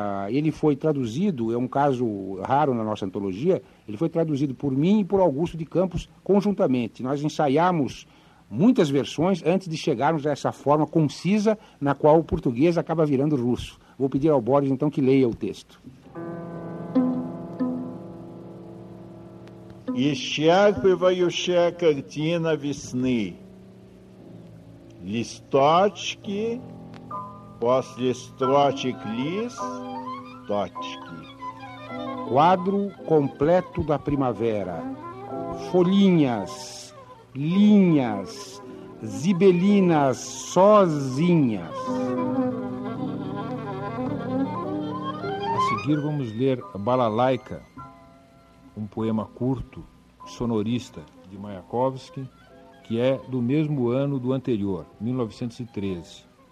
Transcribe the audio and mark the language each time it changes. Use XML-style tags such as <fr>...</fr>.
<pt>Ele foi traduzido, é um caso raro na nossa antologia, ele foi traduzido por mim e por Augusto de Campos conjuntamente. Nós ensaiamos muitas versões antes de chegarmos a essa forma concisa na qual o português acaba virando russo. Vou pedir ao Boris, então, que leia o texto.</pt> <ru>Исчерпывающая картина весны. Листочки, после строчек лис, точки.</ru> <pt>Quadro completo da primavera. Folhinhas, linhas, zibelinas sozinhas. A seguir vamos ler Balalaika, um poema curto, sonorista, de Mayakovsky, que é do mesmo ano do anterior, 1913.</pt>